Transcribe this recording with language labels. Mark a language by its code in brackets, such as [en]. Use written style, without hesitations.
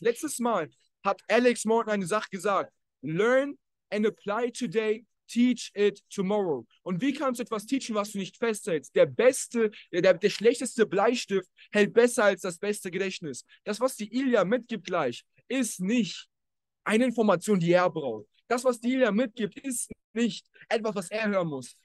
[de] Letztes Mal hat Alex Morton eine Sache gesagt. [en] Learn and apply today, teach it tomorrow. [de] Und wie kannst du etwas teachen, was du nicht festhältst? Der beste, der schlechteste Bleistift hält besser als das beste Gedächtnis. Das, was die Ilya mitgibt gleich, ist nicht eine Information, die er braucht. Das, was die Ilya mitgibt, ist nicht etwas, was er hören muss.